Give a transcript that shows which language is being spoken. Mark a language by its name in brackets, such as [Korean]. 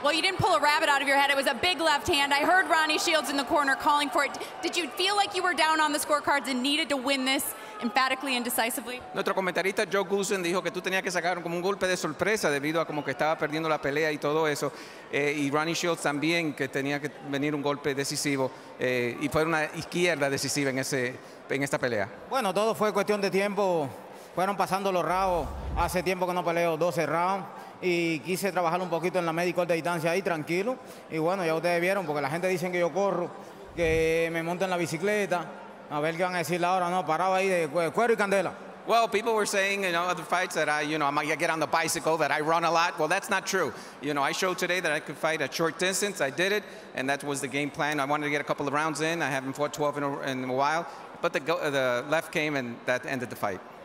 [English] Well, you didn't pull a rabbit out of your head. It was a big left hand. I heard Ronnie Shields in the corner calling for it. Did you feel like you were down on the scorecards and needed to win this emphatically and decisively? [Spanish] Nuestro comentarista Joe Goosen dijo que tú tenías que sacar como un golpe de sorpresa debido a como que estaba perdiendo la pelea y todo eso. Y Ronnie Shields también que tenía que venir un golpe decisivo y fue una izquierda decisiva en esta pelea. Bueno, todo fue cuestión de tiempo. Fueron pasando los rounds, hace tiempo que no peleo 12 rounds y quise trabajar un poquito en la media y corta distancia ahí, tranquilo. Y bueno, ya ustedes vieron, porque la gente dice que yo corro, que me monto en la bicicleta, a ver qué van a decir ahora, no, parado ahí de cuero y candela. [English] Well, people were saying, you know, other fights that I get on the bicycle, that I run a lot. Well, that's not true. You know, I showed today that I could fight a short distance, I did it, and that was the game plan. I wanted to get a couple of rounds in, I haven't fought 12 in a while, but the left came and that ended the fight.